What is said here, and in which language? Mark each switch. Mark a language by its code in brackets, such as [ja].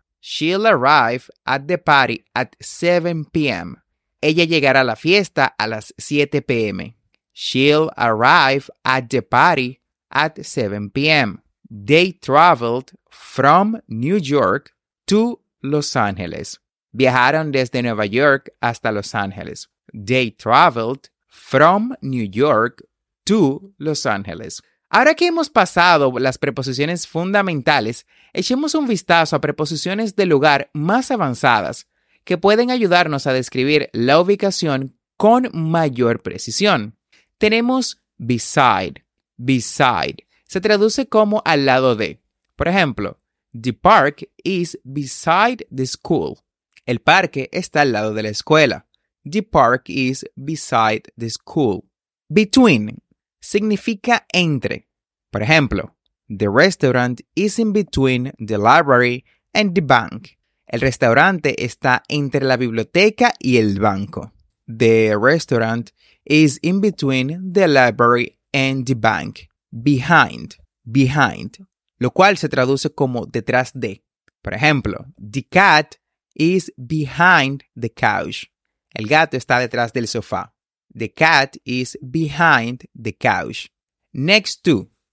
[en] She'll arrive at the party at 7 p.m. [es] Ella llegará a la fiesta a las 7 p.m. [en] She'll arrive at the party at 7 p.m. They traveled from New York to Los Angeles. [es] Viajaron desde Nueva York hasta Los Ángeles. [en] They traveled from New York to Los Angeles. [es] Ahora que hemos pasado las preposiciones fundamentales, echemos un vistazo a preposiciones de lugar más avanzadas que pueden ayudarnos a describir la ubicación con mayor precisión. Tenemos beside. Beside. Se traduce como al lado de. Por ejemplo, [en] the park is beside the school. [es] El parque está al lado de la escuela. [en] The park is beside the school. Between significa entre. [es] Por ejemplo, [en] the restaurant is in between the library and the bank. [es] El restaurante está entre la biblioteca y el banco. [en] The restaurant is in between the library and the bank. [es] Behind, behind, lo cual se traduce como detrás de. Por ejemplo, [en] the cat is behind the couch. [es] El gato está detrás del sofá. [en] The cat is behind the couch. Next to.